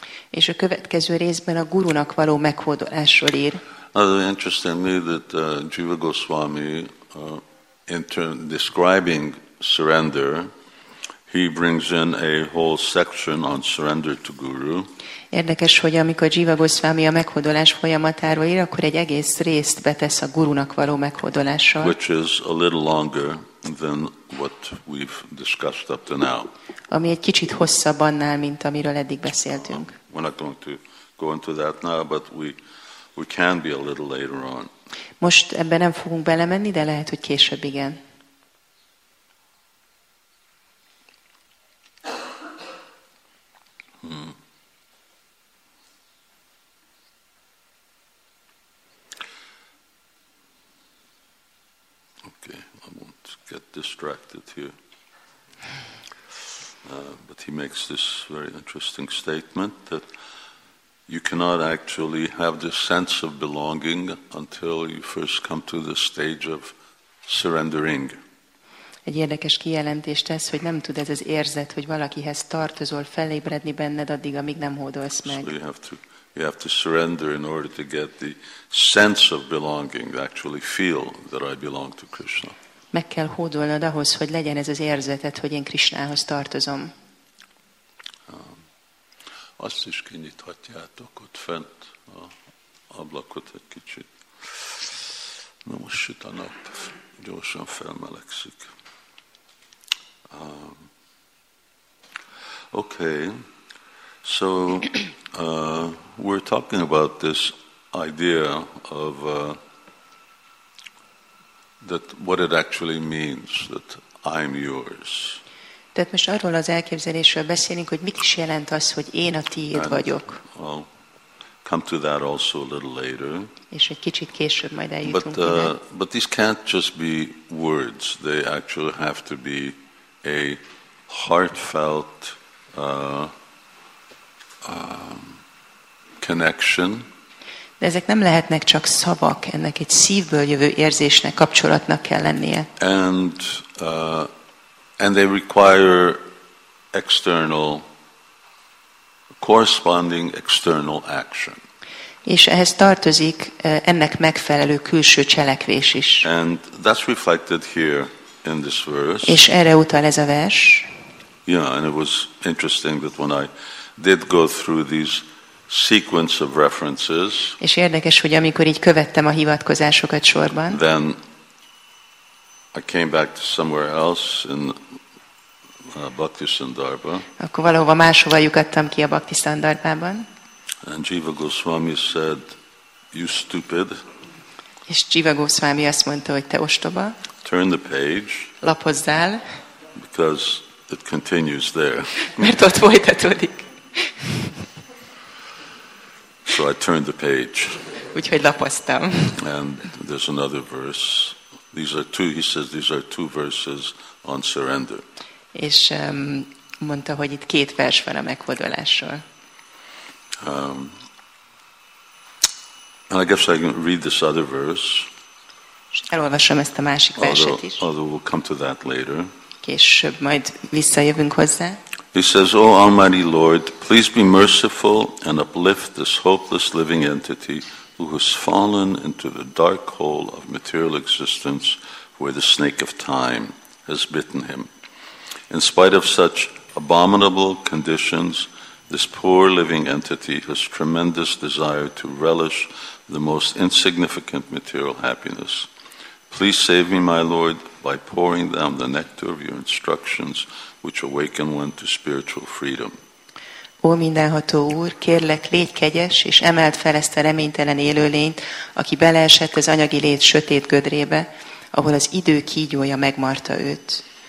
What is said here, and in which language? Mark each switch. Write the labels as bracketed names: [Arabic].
[Hungarian] És a következő részben a gurunak való meghódolásról ír. [English] Interestingly that Jiva Goswami, in turn, describing surrender, He brings in a whole section on surrender to Guru. [Hungarian] Érdekes, hogy amikor Jiva Goszvámi a meghódolás folyamatáról ír, akkor egy egész részt betesz a gurunak való meghódolással. [English] Which is a little longer than what we've discussed up to now. [Hungarian] Ami egy kicsit hosszabb annál, mint amiről eddig beszéltünk. [English] We're not going to go into that now, but we can be a little later on. [Hungarian] Most ebben nem fogunk belemenni, de lehet, hogy később igen. [English] Okay, I won't get distracted here. But he makes this very interesting statement that you cannot actually have this sense of belonging until you first come to the stage of surrendering. [Hungarian] Egy érdekes kijelentést tesz, hogy nem tud ez az érzet, hogy valakihez tartozol, felébredni benned addig, amíg nem hódolsz meg. [English] So you have to surrender in order to get the sense of belonging, actually feel that I belong to Krishna. [Hungarian] Meg kell hódolnod ahhoz, hogy legyen ez az érzetet, hogy én Krisnához tartozom. Azt is kinyithatjátok ott fent a ablakot egy kicsit. Na most süt a nap, gyorsan felmelegszik. [English] Okay, so we're talking about this idea of that what it actually means that I'm yours. [Hungarian] Tehát most arról az elképzelésről beszélünk, hogy mit is jelent az, hogy én a tiéd vagyok. [English] I'll come to that also a little later. [Hungarian] És egy kicsit később majd eljutunk. [English] But these can't just be words. They actually have to be a heartfelt connection. [Hungarian] De ezek nem lehetnek csak szavak, ennek egy szívből jövő érzésnek, kapcsolatnak kell lennie. [English] And they require corresponding external action. [Hungarian] És ehhez tartozik ennek megfelelő külső cselekvés is. [English] And that's reflected here in this verse. [Hungarian] És erre utal ez a vers. [English] Yeah, and it was interesting that when I did go through these sequence of references. [Hungarian] És érdekes, hogy amikor így követtem a hivatkozásokat sorban. [English] Then I came back to somewhere else in Bhaktisandarbha. [Hungarian] Akkor valahova máshova lyukadtam ki a Bhaktisandarbhában. [English] And Jiva Goswami said, "You stupid." [Hungarian] És Jiva Goswami azt mondta, hogy te ostoba. [English] Turn the page. [Hungarian] Lapozzál. [English] Because it continues there. [Hungarian] Mert ott folytatódik. [English] So I turned the page. [Hungarian] Úgyhogy lapoztam. [English] And there's another verse. These are two verses on surrender. [Hungarian] És mondta, hogy itt két vers van a meghódolásról. [English] And I guess I can read this other verse. [Hungarian] És elolvasom ezt a másik verset is. [English] Although we'll come to that later. [Hungarian] Később majd visszajövünk hozzá. [English] He says, "O Almighty Lord, please be merciful and uplift this hopeless living entity who has fallen into the dark hole of material existence where the snake of time has bitten him. In spite of such abominable conditions, this poor living entity has tremendous desire to relish the most insignificant material happiness. Please save me, my Lord, by pouring down the nectar of your instructions which awaken one to spiritual freedom." [Hungarian] Ó, mindenható Úr, kérlek, légy kegyes, és emeld fel ezt a reménytelen élőlényt, aki beleesett az anyagi lét sötét gödrébe, ahol az idő kígyója megmarta őt.